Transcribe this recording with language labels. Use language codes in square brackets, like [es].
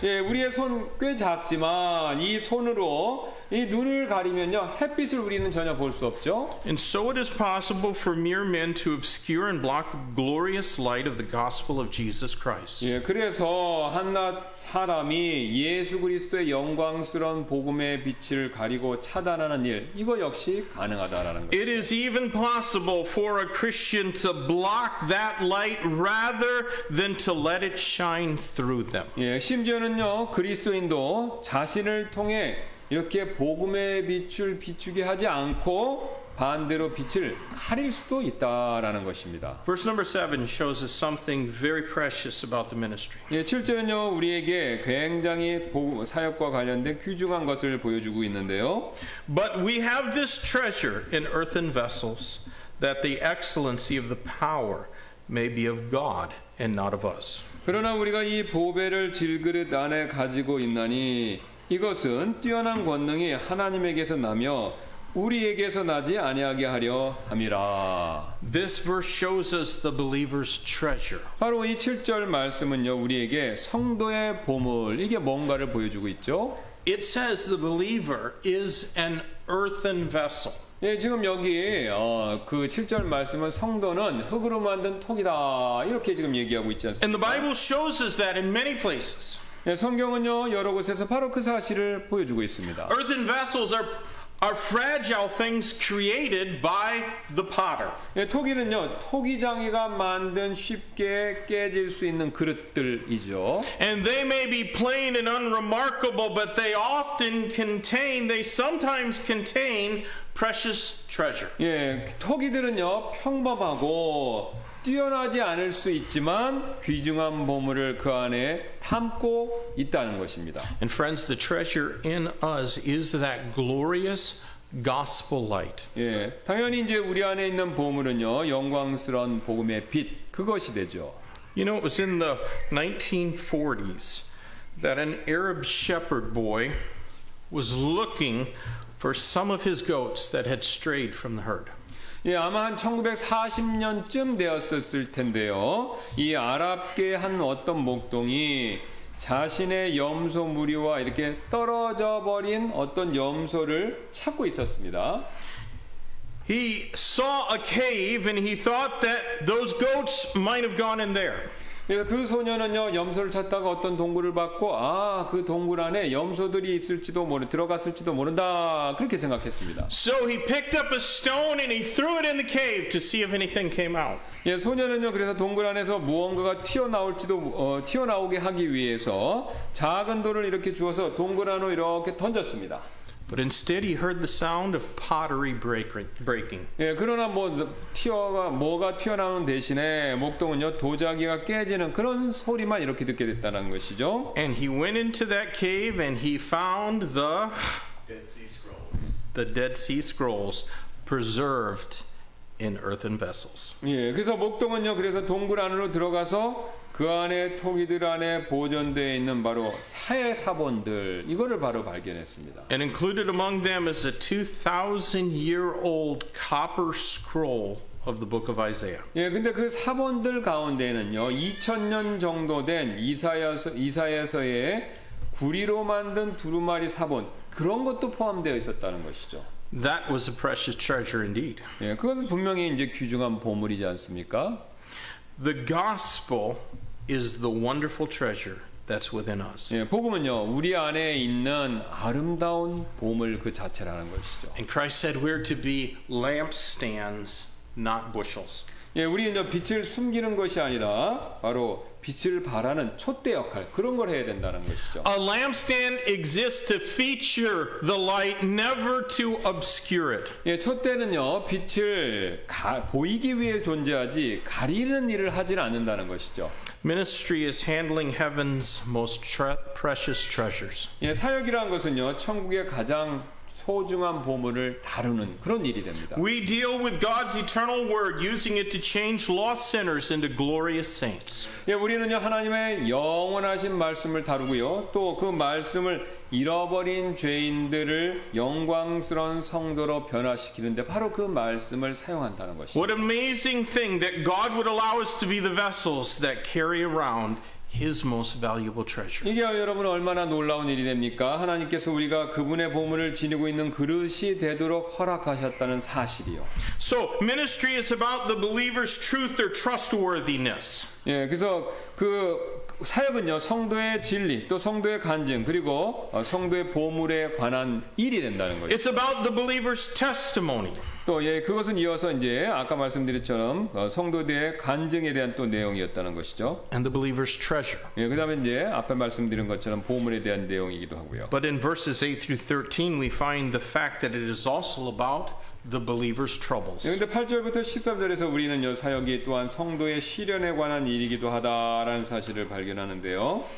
[ko] 예, 우리의 손 꽤 작지만 이 손으로 이 눈을 가리면요 햇빛을 우리는 전혀 볼 수 없죠. [en] And so it is possible for mere men to obscure and block the glorious light of the gospel of Jesus Christ. [ko] 예, 그래서 한낱 사람이 예수 그리스도의 영광스러운 복음의 빛을 가리고 차단하는 일 이거 역시 [en] It is even possible for a Christian to block that light rather than to let it shine through them. [ko] 예, 심지어는요 그리스도인도 자신을 통해 이렇게 복음의 빛을 비추게 하지 않고 반대로 빛을 가릴 수도 있다라는 것입니다. [en] Verse number 7 shows us something very precious about the ministry. [ko] 예, 7절은요 우리에게 굉장히 사역과 관련된 귀중한 것을 보여주고 있는데요. [en] But we have this treasure in earthen vessels that the excellency of the power may be of God and not of us. [ko] 그러나 우리가 이 보배를 질그릇 안에 가지고 있나니 이것은 뛰어난 권능이 하나님에게서 나며 우리에게서 나지 아니하게 하려 함이라. [en] This verse shows us the believer's treasure. [ko] 바로 이 7절 말씀은요 우리에게 성도의 보물 이게 뭔가를 보여주고 있죠. [en] It says the believer is an earthen vessel. [ko] 예, 지금 여기 그 7절 말씀은 성도는 흙으로 만든 톡이다 이렇게 지금 얘기하고 있지 않습니까? [en] And the Bible shows us that in many places. [ko] 예, 성경은요 여러 곳에서 바로 그 사실을 보여주고 있습니다. [en] Earthen vessels are fragile things created by the potter. [ko] 예, 토기는요, 토기장이가 만든 쉽게 깨질 수 있는 그릇들이죠. [en] And they may be plain and unremarkable, but they sometimes contain precious treasure. [ko] 예, 토기들은요 평범하고 뛰어나지 않을 수 있지만 귀중한 보물을 그 안에 담고 있다는 것입니다. [en] And friends, the treasure in us is that glorious gospel light. [ko] 예, 당연히 이제 우리 안에 있는 보물은요 영광스러운 복음의 빛 그것이 되죠. [en] You know, it was in the 1940s that an Arab shepherd boy was looking for some of his goats that had strayed from the herd. [ko] 예, 아마 한 1940년쯤 되었었을 텐데요. 이 아랍계 한 어떤 목동이 자신의 염소 무리와 이렇게 떨어져 버린 어떤 염소를 찾고 있었습니다. [en] He saw a cave and he thought that those goats might have gone in there. [ko] 예, 그 소년은요 염소를 찾다가 어떤 동굴을 봤고 아, 그 동굴 안에 염소들이 있을지도 모르 들어갔을지도 모른다 그렇게 생각했습니다. [en] So he picked up a stone and he threw it in the cave to see if anything came out. [ko] 예, 소년은요 그래서 동굴 안에서 무언가가 튀어나올지도 튀어나오게 하기 위해서 작은 돌을 이렇게 주워서 동굴 안으로 이렇게 던졌습니다. [en] But instead, he heard the sound of pottery breaking. [ko] 예, 그러나 뭐 뭐가 튀어나오는 대신에 목동은요 도자기가 깨지는 그런 소리만 이렇게 듣게 됐다는 것이죠. [en] And he went into that cave and he found the Dead Sea Scrolls. The Dead Sea Scrolls preserved in earthen vessels. [ko] 예, 그래서 목동은요 그래서 동굴 안으로 들어가서 그 안에 토기들 안에 보존되어 있는 바로 사해 사본들 이거를 바로 발견했습니다. [en] And included among them is a 2,000-year-old copper scroll of the book of Isaiah. [ko] 예, 근데 그 사본들 가운데는요 2000년 정도 된 이사야서의 구리로 만든 두루마리 사본 그런 것도 포함되어 있었다는 것이죠. [en] That was a precious treasure indeed. [ko] 예, 그것은 분명히 이제 귀중한 보물이지 않습니까? [en] The gospel is the wonderful treasure that's within us. [ko] 예, 복음은요, 우리 안에 있는 아름다운 보물 그 자체라는 것이죠. [en] And Christ said we're to be lampstands, not bushels. [ko] 예, 우리는요, 빛을 숨기는 것이 아니라 바로 빛을 발하는 촛대 역할 그런 걸 해야 된다는 것이죠. [en] A lampstand exists to feature the light, never to obscure it. [ko] 예, 촛대는요 빛을 보이기 위해 존재하지 가리는 일을 하진 않는다는 것이죠. [en] Ministry is handling heaven's most precious treasures. [ko] 예, 사역이라는 것은요 천국의 가장 소중한 보물을 다루는 그런 일이 됩니다. [en] We deal with God's eternal word using it to change lost sinners into glorious saints. [ko] 예, 우리는요 하나님의 영원하신 말씀을 다루고요. 또 그 말씀을 잃어버린 죄인들을 영광스러운 성도로 변화시키는데 바로 그 말씀을 사용한다는 것입니다. [en] What amazing thing that God would allow us to be the vessels that carry around His most valuable treasure. [ko] 이게 여러분 얼마나 놀라운 일이 됩니까? 하나님께서 우리가 그분의 보물을 지니고 있는 그릇이 되도록 허락하셨다는 사실이요. [en] So ministry is about the believer's truth or trustworthiness. [ko] 예, 그래서 그 사역은요 성도의 진리 또 성도의 간증 그리고 성도의 보물에 관한 일이 된다는 거예요. [en] It's about the believer's testimony. [ko] 또 예, 그것은 이어서 이제 아까 말씀드렸처럼 성도들의 간증에 대한 또 내용이었다는 것이죠. [en] And the believer's treasure. [ko] 예, 그다음에 이제 앞에 말씀드린 것처럼 보물에 대한 내용이기도 하고요. [en] But in verses 8 through 13 we find the fact that it is also about the believer's troubles. [ko] 예, 근데 8절부터 13절에서 우리는요 사역이 또한 성도의 시련에 관한 일이기도 하다라는 사실을 발견하는데요.